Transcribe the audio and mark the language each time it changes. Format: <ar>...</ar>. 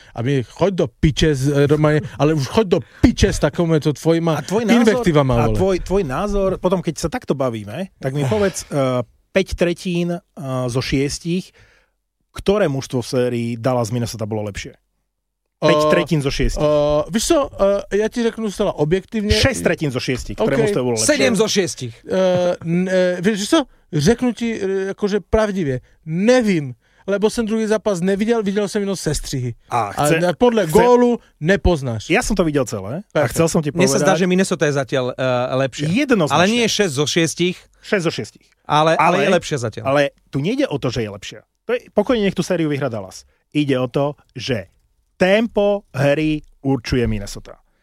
<sk>A my choď do piče, ale už choď do piče s takovými to tvojima invektívama. A tvoj názor, potom keď sa takto bavíme, tak mi povedz 5 tretín zo 6, ktoré mužstvo v sérii Dallas Minnesota bolo lepšie? 5 tretín zo 6.</sk> <cs>Víš co, ja ti řeknu stále objektívne.</cs> <sk>6 tretín zo 6, ktoré mužstvo bolo lepšie? 7 zo 6.</sk> <cs>Víš co, řeknu ti akože pravdivie, nevím, lebo som druhý zápas nevidel, videl som jenom sestrihy.</cs> <sk>A podľa gólu nepoznáš. Ja som to videl celé. Perfect. A chcel som ti povedať... Mne sa zdá, že Minnesota je zatiaľ lepšia. Jednoznačne. Ale nie je 6 zo 6. 6 zo 6. Ale je lepšia zatiaľ. Ale tu nejde o to, že je lepšia. To je, pokojne nech tú sériu vyhrá Dallas. Ide o to, že tempo hry určuje Minnesota.</sk>